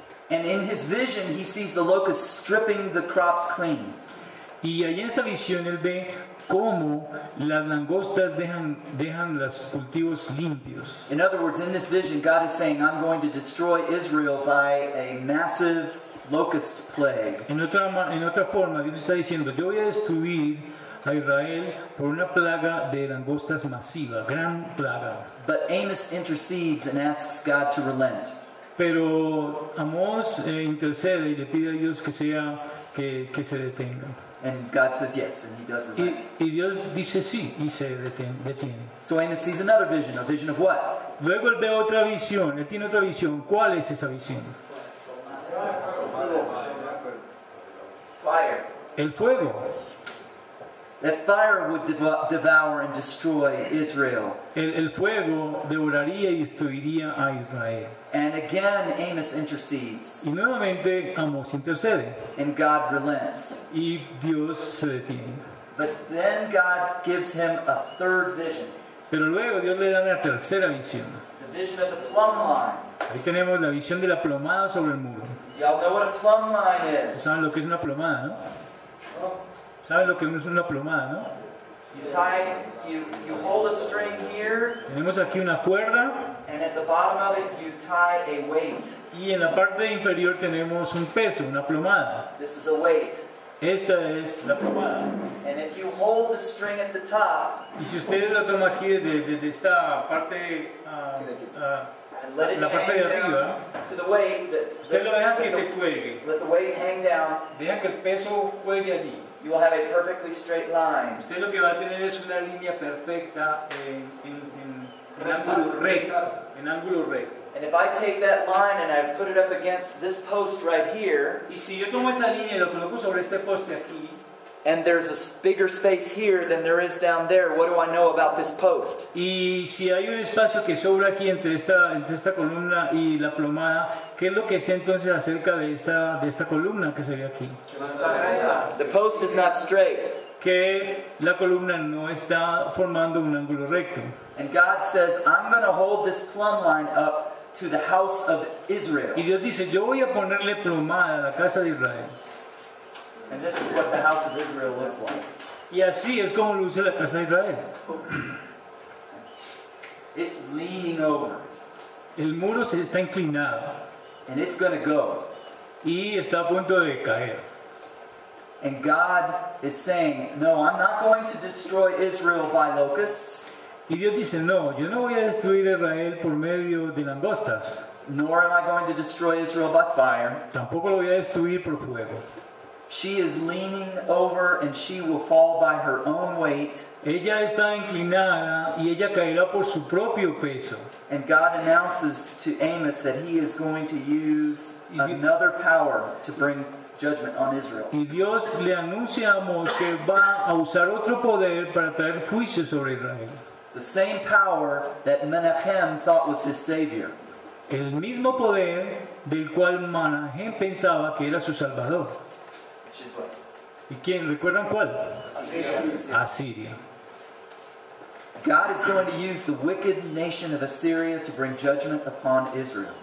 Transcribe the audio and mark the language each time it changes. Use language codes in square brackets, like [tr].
[en] And in his vision, he sees the locusts stripping the crops clean. [es] Y ahí en esta visión él ve cómo las langostas dejan los cultivos limpios. [en] In other words, in this vision, God is saying, "I'm going to destroy Israel by a massive locust plague." [es] En otra forma, Dios está diciendo, yo voy a destruir a Israel por una plaga de langostas masiva, gran plaga. [en] But Amos intercedes and asks God to relent. [es] Pero Amos intercede y le pide a Dios que sea que se detenga. [en] And God says yes, and he does relent. [es] Y Dios dice sí y se detiene. [en] So Amos sees another vision, a vision of what? [es] Luego él ve otra visión. Él tiene otra visión. ¿Cuál es esa visión? [en] Fire. [es] El fuego. [en] That fire would devour and destroy Israel. [es] El fuego devoraría y destruiría a Israel. [en] And again, Amos intercedes. [es] Y nuevamente Amos intercede. [en] And God relents. [es] Y Dios se detiene. [en] But then God gives him a third vision. [es] Pero luego Dios le da una tercera visión. [en] The vision of the plumb line. [es] Ahí tenemos la visión de la plomada sobre el muro. [en] Y'all know what a plumb line is. [es] ¿Saben lo que es una plomada, no? ¿Saben lo que es una plomada, no? [en] You hold a string here. [es] Tenemos aquí una cuerda. [en] And at the bottom of it you tie a weight. [es] Y en la parte inferior tenemos un peso, una plomada. [en] This is a weight. [es] Esta es la plomada. [en] And if you hold the string at the top. [es] Y si ustedes la toman aquí de esta parte la parte de arriba, usted lo deja que se cuelgue. [en] Let the weight hang down. [es] Deja que el peso cuelgue allí. [en] You will have a perfectly straight line. [es] Usted lo que va a tener es una línea perfecta en ángulo recto, en ángulo recto. [en] And if I take that line and I put it up against this post right here. [es] Y si yo tomo esa línea y lo coloco sobre este poste aquí. [en] And there's a bigger space here than there is down there. What do I know about this post? [es] Y si hay un espacio que sobra aquí entre esta columna y la plomada, ¿qué es lo que sé entonces acerca de esta columna que se ve aquí? [en] The post is not straight. [es] Que la columna no está formando un ángulo recto. [en] And God says, I'm going to hold this plumb line up to the house of Israel. [es] Y Dios dice, yo voy a ponerle plomada a la casa de Israel. [en] And this is what the house of Israel looks like. [es] Y así es como luce la casa de Israel. [en] It's leaning over. [es] El muro se está inclinado. [en] And it's going to go. [es] Y está a punto de caer. [en] And God is saying, no, I'm not going to destroy Israel by locusts. [es] Y Dios dice, no, yo no voy a destruir Israel por medio de langostas. [en] Nor am I going to destroy Israel by fire. [es] Tampoco lo voy a destruir por fuego. [en] She is leaning over and she will fall by her own weight. [es] Ella está inclinada y ella caerá por su propio peso. [en] And God announces to Amos that he is going to use another power to bring judgment on Israel. [es] Y Dios le anuncia a Amos que va a usar otro poder para traer juicio sobre Israel. [en] The same power that Menachem thought was his savior. [es] El mismo poder del cual Menachem pensaba que era su salvador. ¿Y quién? ¿Recuerdan cuál? Asiria. [en] God is going to use the wicked nation of Assyria to bring judgment upon Israel.